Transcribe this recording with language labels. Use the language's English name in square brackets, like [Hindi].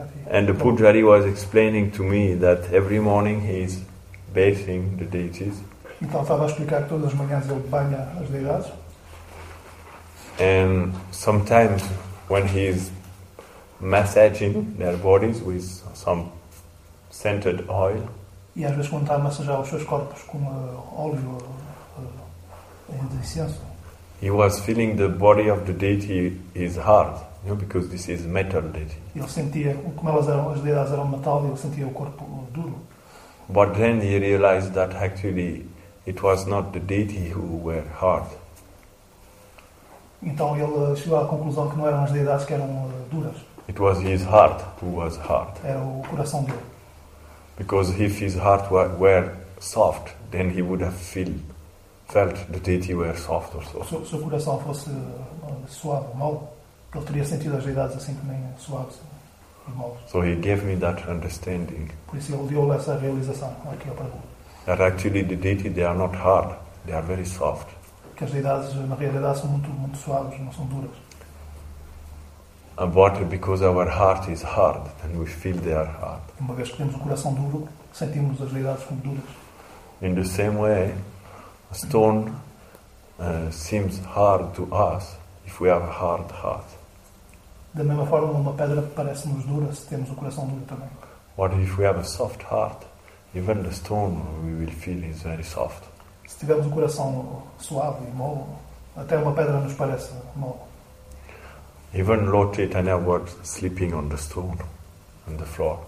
[English] And the pujari was explaining to me that every morning he is bathing the deities. [Portuguese] Então estava a explicar que todas as manhãs ele banha as deidades. [English] And sometimes when he is massaging their bodies with some scented oil. [Portuguese] E às vezes quando está a massagear os seus corpos com óleo de incenso. [English] He was feeling the body of the deity is hard, you know, because this is metal deity. [Portuguese] Ele sentia como elas eram, as deidades eram metal, e ele sentia o corpo duro. [English] But then he realized that actually it was not the deity who were hard. [Portuguese] Então ele chegou à conclusão que não eram as deidades que eram duras. [English] It was his heart who was hard. [Portuguese] Era o coração dele. [English] Because if his heart were soft, then he would have felt the deity were soft or so. [Portuguese] Se o coração fosse suave, mole, ele teria sentido as deidades assim também suaves e moles. [English] So he gave me that understanding. [Portuguese] Por isso ele deu-lhe essa realização aqui ao Prabhu. [English] That actually the deity they are not hard, they are very soft. [Portuguese] Que as deidades, na realidade, são muito, muito suaves, não são duras. [English] But because our heart is hard, then we feel they are hard. [Portuguese] Uma vez que temos o coração duro, sentimos as deidades como duras. [English] In the same way, a stone seems hard to us if we have a hard heart. [Portuguese] Da mesma forma, uma pedra parece-nos dura se temos o coração duro também. [English] What if we have a soft heart? Even the stone we will feel is very soft. [Portuguese] Se tivermos o coração suave e mole, até uma pedra nos parece mole. [English] Even Lord Chaitanya was sleeping on the stone, on the floor.